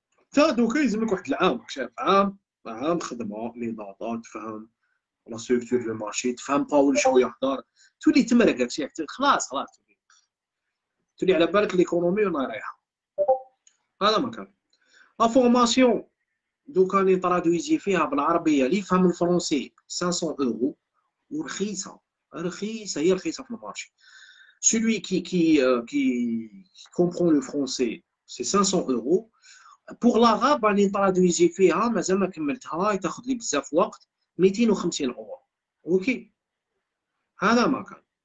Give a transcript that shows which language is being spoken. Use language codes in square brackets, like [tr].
[ar] تا دوكا يلزمك واحد العام شايف عام خدمه لي داتا تفهم لا ستركتور دو مارشي تفهم باول شو يحضر تولي تمرق شايف خلاص تولي على بالك ليكونومي وانا رايحه هذا مكان. لا فورماسيون دوكا لي ترادويزي فيها بالعربيه لي يفهم الفرنسي 500 يورو ورخيصه رخيصه هي رخيصه في المارشي. [fr] celui qui comprend le français c'est 500 يورو. pour l'arabe [ar] لي ترادويزي فيها مازال ما كملتها تاخذ لي بزاف وقت 250 يورو. اوكي هذا مكان